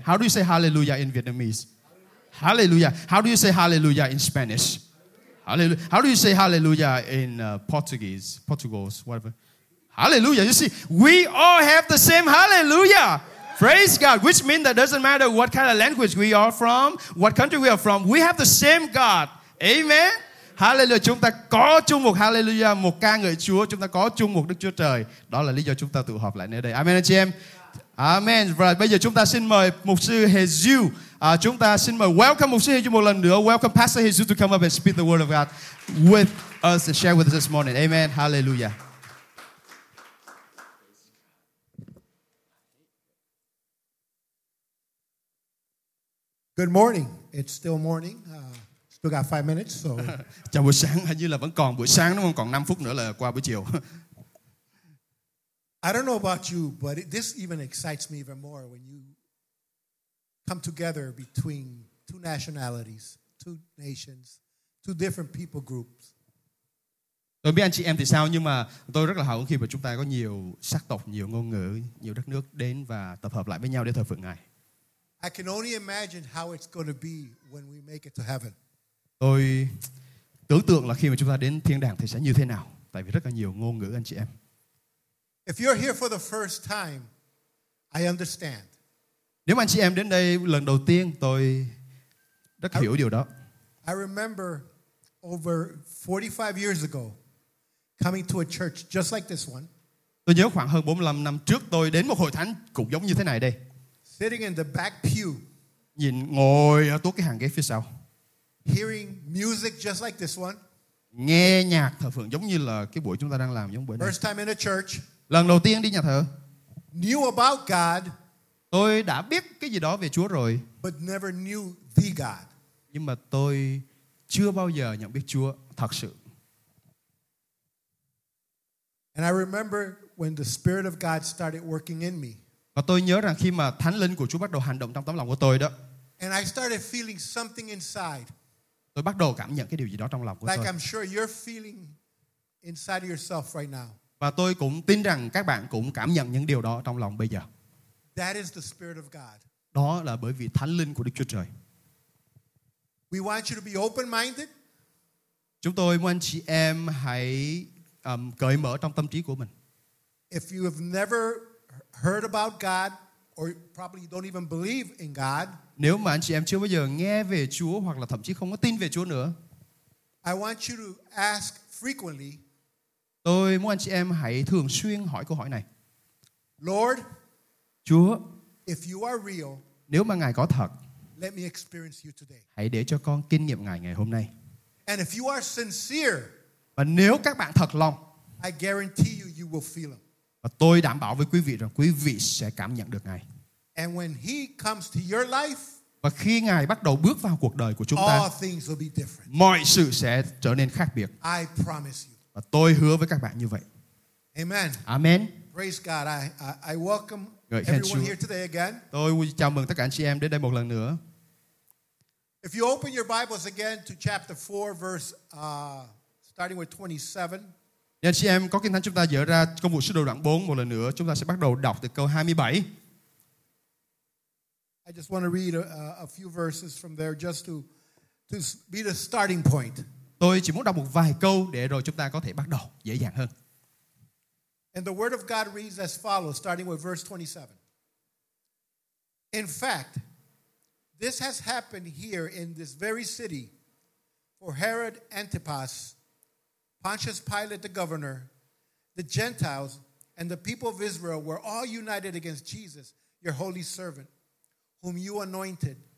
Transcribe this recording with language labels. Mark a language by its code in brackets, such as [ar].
[en] How do you say hallelujah in Vietnamese? Hallelujah. How do you say hallelujah in Spanish? Hallelujah. How do you say hallelujah in Portuguese? Portugals, whatever. Hallelujah. You see, we all have the same hallelujah. Praise God. Which means that doesn't matter what kind of language we are from, what country we are from, we have the same God. Amen. Hallelujah. [vi] Chúng ta có chung một hallelujah, một ca ngợi Chúa. Chúng ta có chung một Đức Chúa Trời. Đó là lý do chúng ta tụ họp lại nơi đây. Amen, anh chị em. Amen. Và bây giờ chúng ta xin mời Mục sư Jesus. Chúng ta xin mời [en] welcome [vi] Mục sư Jesus một lần nữa. [en] Welcome Pastor Jesus to come up and speak the word of God with us and share with us this morning. Amen. Hallelujah. Good morning. It's still morning. Still got 5 minutes. So. [vi] Chào buổi sáng. Hình như là vẫn còn buổi sáng đúng không? Còn 5 phút nữa là qua buổi chiều. [en] I don't know about you, but this even excites me even more when you come together between two nationalities, two nations, two different people groups. [vi] Tôi biết anh chị em thì sao, nhưng mà tôi rất là hào hứng khi mà chúng ta có nhiều sắc tộc, nhiều ngôn ngữ, nhiều đất nước đến và tập hợp lại với nhau để thờ phượng Ngài. [en] I can only imagine how it's going to be when we make it to heaven. [vi] Tôi tưởng tượng là khi mà chúng ta đến thiên đàng thì sẽ như thế nào, tại vì rất là nhiều ngôn ngữ anh chị em. [en] If you're here for the first time, I understand. [vi] Nếu mà anh chị em đến đây lần đầu tiên, tôi rất hiểu điều đó. [en] I remember over 45 years ago coming to a church just like this one. [vi] Tôi nhớ khoảng hơn 45 năm trước tôi đến một hội thánh cũng giống như thế này đây. [en] Sitting in the back pew. [vi] Nhìn ngồi ở tuốt cái hàng ghế phía sau. [en] Hearing music just like this one. [vi] Nghe nhạc thờ phượng giống như là cái buổi chúng ta đang làm giống buổi này. [en] First time in a church. [vi] Lần đầu tiên đi nhà thờ. [en] Knew about God. [vi] Tôi đã biết cái gì đó về Chúa rồi. [en] But never knew the God. [vi] Nhưng mà tôi chưa bao giờ nhận biết Chúa thật sự. [en] And I remember when the Spirit of God started working in me. [vi] Và tôi nhớ rằng khi mà Thánh Linh của Chúa bắt đầu hành động trong tấm lòng của tôi đó. [en] And I started feeling something inside. [vi] Tôi bắt đầu cảm nhận cái điều gì đó trong lòng của [en] like [vi] tôi. [en] I'm sure you're feeling inside yourself right now. [vi] Và tôi cũng tin rằng các bạn cũng cảm nhận những điều đó trong lòng bây giờ. [en] That is the Spirit of God. [vi] Đó là bởi vì Thánh Linh của Đức Chúa Trời. [en] We want you to be open-minded. [vi] Chúng tôi muốn anh chị em hãy cởi mở trong tâm trí của mình. [en] If you have never heard about God or probably don't even believe in God. [vi] Nếu mà anh chị em chưa bao giờ nghe về Chúa hoặc là thậm chí không có tin về Chúa nữa. [en] I want you to ask frequently. [vi] Tôi muốn anh chị em hãy thường xuyên hỏi câu hỏi này. [en] Lord, [vi] Chúa, [en] if you are real, [vi] nếu mà Ngài có thật, [en] let me experience you today. [vi] Hãy để cho con kinh nghiệm Ngài ngày hôm nay. [en] And if you are sincere, [vi] và nếu các bạn thật lòng, [en] I guarantee you, you will feel him. [vi] Và tôi đảm bảo với quý vị rằng quý vị sẽ cảm nhận được Ngài. [en] And when he comes to your life, [vi] và khi Ngài bắt đầu bước vào cuộc đời của chúng [en] all [vi] ta, [en] things will be different. [vi] Mọi sự sẽ trở nên khác biệt. [en] I promise you. [vi] Và tôi hứa với các bạn như vậy. [en] Amen. Amen. Praise God. I welcome everyone here today again. [vi] Tôi chào mừng tất cả anh chị em đến đây một lần nữa. [en] If you open your Bibles again to chapter 4 verse starting with 27. [vi] Nếu anh chị em có kinh thánh, chúng ta dỡ ra công vụ sứ đồ đoạn 4 một lần nữa, chúng ta sẽ bắt đầu đọc từ câu 27. [en] I just want to read a few verses from there just to be the starting point. [vi] Tôi chỉ muốn đọc một vài câu để rồi chúng ta có thể bắt đầu dễ dàng hơn. [en] And the word of God reads as follows, starting with verse 27. In fact, this has happened here in this very city for Herod Antipas, Pontius Pilate the governor, the Gentiles, and the people of Israel were all united against Jesus, your holy servant, whom you anointed.